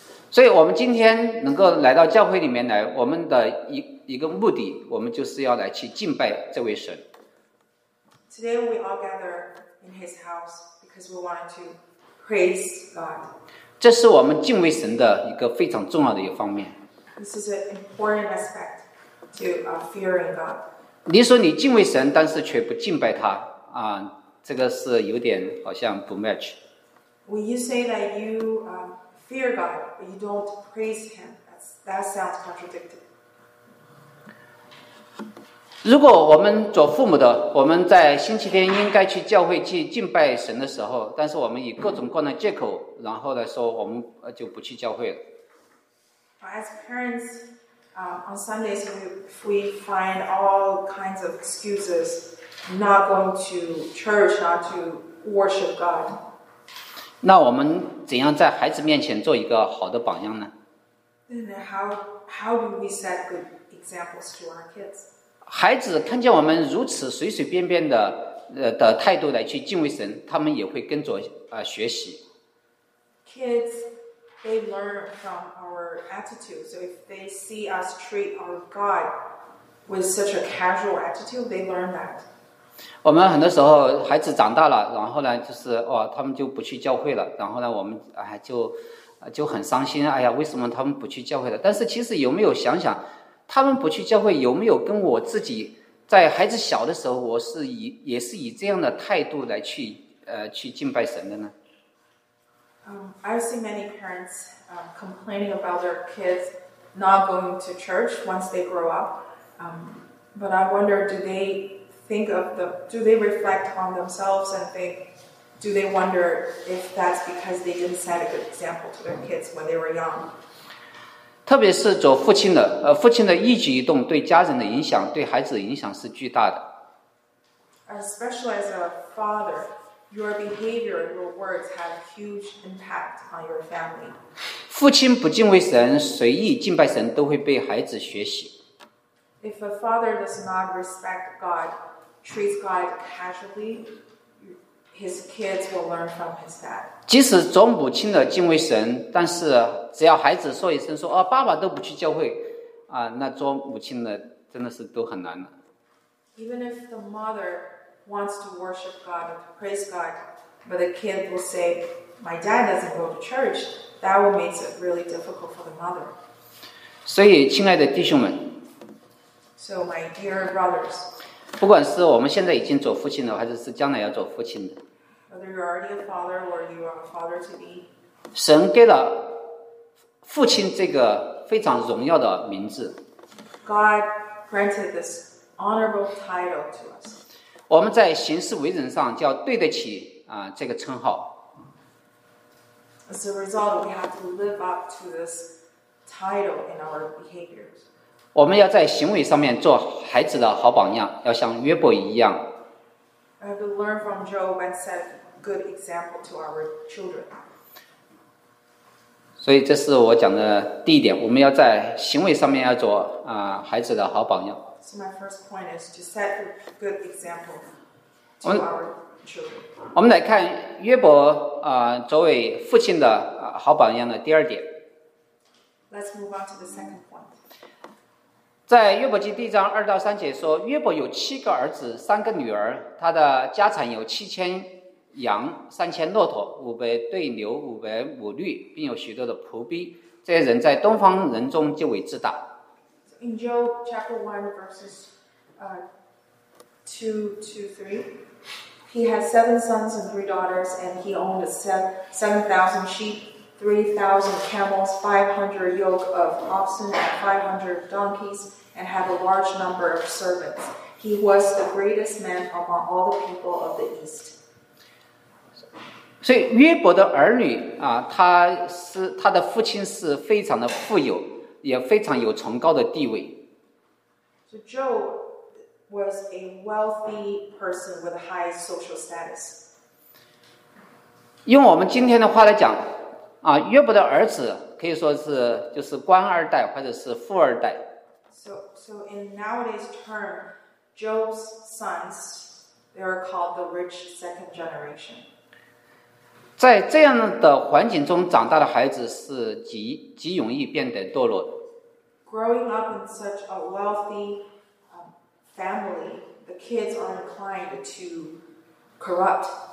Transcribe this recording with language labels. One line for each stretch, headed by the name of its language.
Chinese: 所以我们今天能够来到教会里面来，我们的一个目的，我们就是要来去敬拜这位神。
English: Today we all gather in His house because we want to praise God.
Chinese: 这是我们敬畏神的一个非常重要的一个方面。
English: This is an important aspect to fearing God.
Chinese: 你说你敬畏神，但是却不敬拜他啊，这个是有点好像不 match.
English: When you say that you fear God, but you don't praise Him, that sounds contradictory.
Chinese: 如果我们做父母的，我们在星期天应该去教会去敬拜神的时候，但是我们以各种各样的借口，然后来说我们就不去教会了。
English: As parents, on Sundays, we find all kinds of excuses not going to church, not to worship God.
Chinese: 那我们怎样在孩子面前做一个好的榜样呢？
English: Then how do we set good examples to our kids?
Chinese: 孩子看见我们如此随随便便 的态度来去敬畏神，他们也会跟着学习。
English: Kids, they learn from our attitude. So if they see us treat our God with such a casual attitude, they learn that.
Chinese: 我们很多时候孩子长大了，然后呢，就是哦，他们就不去教会了，然后呢，我们哎就很伤心，哎呀，为什么他们不去教会了？但是其实有没有想想？他们不去教会，有没有跟我自己在孩子小的时候，我是也是以这样的态度来去敬拜神的呢？
English: I've seen many parents complaining about their kids not going to church once they grow up. But I wonder, do they reflect on themselves and think, do they wonder if that's because they didn't set a good example to their kids when they were young?
Chinese: 特别是做父亲的，父亲的一举一动对家人的影响，对孩子的影响是巨大的。
English: Especially as a father, your behavior, your words have a huge impact on your family.
Chinese: 父亲不敬畏神，随意敬拜神，都会被孩子学习。
English: If a father does not respect God, treats God casually, his kids will learn from his dad.
Chinese: 即使做母亲的敬畏神，但是只要孩子说一声说哦，爸爸都不去教会，那做母亲的真的是都很难了。
English: Even if the mother wants to worship God and praise God, but the kid will say, "My dad doesn't go to church," that will make it really difficult for the mother.
Chinese: 所以，亲爱的弟兄们
English: ，So my dear brothers,
Chinese: 不管是我们现在已经做父亲的，还是将来要做父亲的。
English: Whether you're already a father or you are a father to be,
Chinese: 神给了父亲这个非常荣耀的名字。
English: God granted this honorable title to us.
Chinese: 我们在行事为人上就要对得起这个称号。
English: As a result, we have to live up to this title in our behaviors.
Chinese: 我们要在行为上面做孩子的好榜样，要像约伯一样。
English: I have to learn from Job and set good example to our children.
Chinese: 所以这是我讲的第一点，我们要在行为上面要做孩子的好榜样。
English: So my first point is to set good example to our children.
Chinese: 我们来看约伯作为父亲的好榜样的第二点。
English: Let's move on to the second point.
Chinese: 在约伯记第一章二到三节说，约伯有七个儿子，三个女儿，他的家产有七千羊，三千骆驼，五百对牛，五百母驴，并有许多的仆婢。这些人在东方人中就为自大。
English: In Job chapter 1 verses 2-3, he had seven sons and three daughters, and he owned 7,000 sheep, 3,000 camels, 500 yoke of oxen, and 500 donkeys. And had a large number of servants. He was the greatest man among all the people of the East.
Chinese: 所以约伯的儿女他的父亲是非常的富有，也非常有崇高的地位。
English: So Job was a wealthy person with a high social status.
Chinese: 用我们今天的话来讲约伯的儿子可以说是就是官二代或者是富二代。
English: So in nowadays term, Job's sons, they are called the rich second generation.
Chinese: 在这样的环境中长大的孩子是 极容易变得堕落的。
English: Growing up in such a wealthy family, the kids are inclined to corrupt.